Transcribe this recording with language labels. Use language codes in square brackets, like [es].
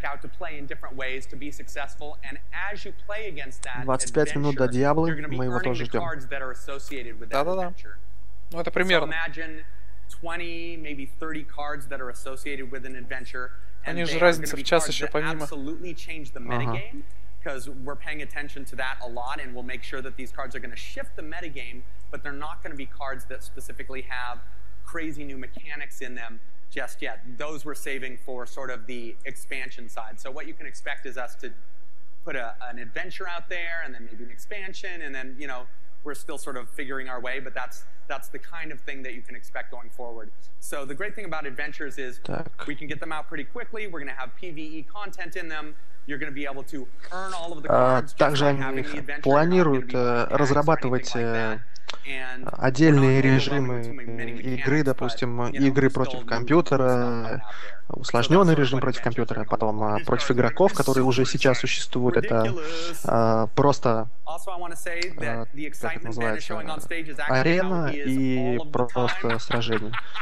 [ru] 25 минут до Диаблы, мы его тоже ждем. Да-да-да. Ну, это примерно. Они же разница в час еще помимо. Ага. [en] Because we're paying attention to that a lot, and we'll make sure that these cards are going to shift the metagame, but they're not going to be cards that specifically have crazy new mechanics in them just yet. Those we're saving for sort of the expansion side. So what you can expect is us to put an adventure out there, and then maybe an expansion, and then, you know, we're still sort of figuring our way, but that's the kind of thing that you can expect going forward. So the great thing about adventures is we can get them out pretty quickly, we're going to have PvE content in them, you're going to be able to earn all of the cards. [ru] Также они планируют разрабатывать отдельные режимы игры, допустим, игры против компьютера, усложненный режим против компьютера, потом против игроков, которые уже сейчас существуют. Это просто, как это называется, арена и просто сражение.